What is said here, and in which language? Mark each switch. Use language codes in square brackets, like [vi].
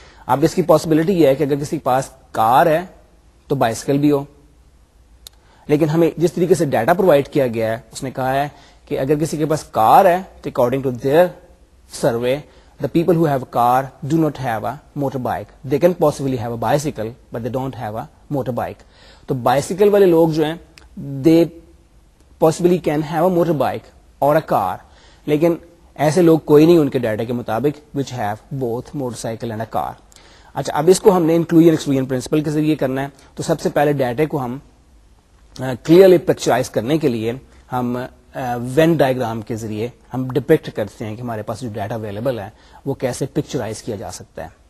[ur] اب اس کی پاسبلٹی یہ ہے کہ اگر کسی کے پاس کار ہے تو بائسیکل بھی ہو, لیکن ہمیں جس طریقے سے ڈیٹا پرووائڈ کیا گیا ہے اس نے کہا ہے کہ اگر کسی کے پاس کار ہے تو [en] According to their survey the people who have a car do not have a motor bike. They can possibly have a bicycle but they don't have a motor bike. [ur] تو بائسیکل والے لوگ جو ہیں [en] they possibly can have a motorbike بائک [ur] اور اے کار, لیکن ایسے لوگ کوئی نہیں ان کے ڈیٹا کے مطابق [en] Which have both motorcycle and a car. [ur] اچھا اب اس کو ہم نے انکلوژن ایکسکلوژن پرنسپل کے ذریعے کرنا ہے. تو سب سے پہلے ڈیٹا کو ہم کلیئرلی پکچرائز کرنے کے لیے ہم وین ڈائیگرام کے ذریعے ہم ڈپکٹ کرتے ہیں کہ ہمارے پاس جو ڈیٹا اویلیبل ہے وہ کیسے پکچرائز کیا جا سکتا ہے.